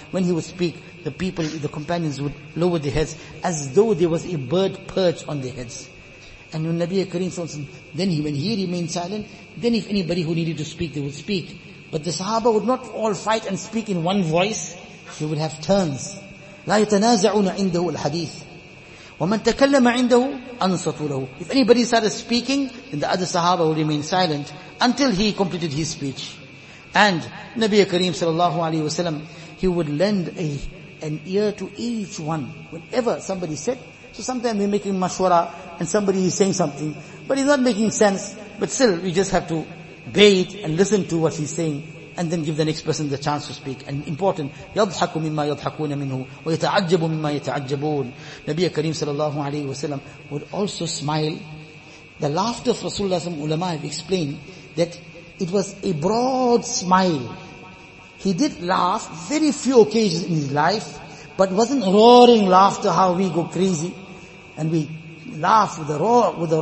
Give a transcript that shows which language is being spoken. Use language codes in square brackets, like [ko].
[en] When he would speak, the people, the companions would lower their heads as though there was a bird perch on their heads. And when Nabi Kareem sallallahu alaihi wasallam, then he, when he remained silent, then if anybody who needed to speak, they would speak. But the sahaba would not all fight and speak in one voice. They would have turns. [ar] لا يتنازعون عنده الحديث ومن تكلم عنده أنصتوا له. [en] If anybody started speaking, then the other sahaba would remain silent until he completed his speech. And Nabi Kareem sallallahu alayhi wasallam, he would lend an ear to each one whenever somebody said. So sometimes we're making mashwara and somebody is saying something, but he's not making sense. But still, we just have to bait and listen to what he's saying and then give the next person the chance to speak. And important, [ar] يَضْحَكُ مِمَّا يَضْحَكُونَ مِنْهُ وَيَتَعَجَّبُ مِمَّا يَتَعَجَّبُونَ. [en] Nabi Kareem sallallahu alayhi wasallam would also smile. The laughter of Rasulullah sallallahu alayhi wasallam, ulama have explained that it was a broad smile. He did laugh very few occasions in his life, but wasn't roaring laughter how we go crazy and we laugh with a roar.